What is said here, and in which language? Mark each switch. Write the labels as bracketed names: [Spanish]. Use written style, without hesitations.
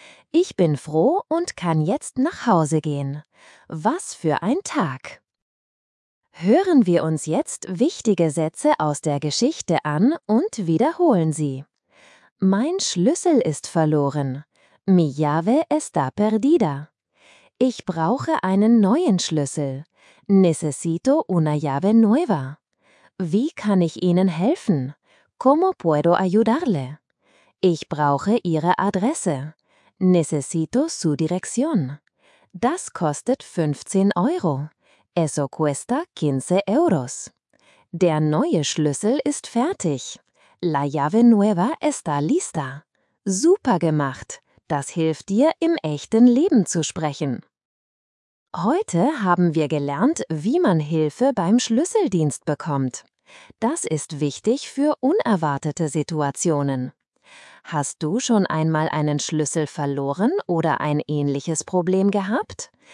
[German] Ich bin froh und kann jetzt nach Hause gehen. Was für ein Tag! Hören wir uns jetzt wichtige Sätze aus der Geschichte an und wiederholen sie. Mein Schlüssel ist verloren. [Spanish] Mi llave está perdida. [German] Ich brauche einen neuen Schlüssel. [Spanish] Necesito una llave nueva. [German] Wie kann ich Ihnen helfen? [Spanish] ¿Cómo puedo ayudarle? [German] Ich brauche Ihre Adresse. [Spanish] Necesito su dirección. [German] Das kostet 15 Euro. [Spanish] Eso cuesta 15 euros. [German] Der neue Schlüssel ist fertig. [Spanish] La llave nueva está lista. [German] Super gemacht. Das hilft dir, im echten Leben zu sprechen. Heute haben wir gelernt, wie man Hilfe beim Schlüsseldienst bekommt. Das ist wichtig für unerwartete Situationen. Hast du schon einmal einen Schlüssel verloren oder ein ähnliches Problem gehabt?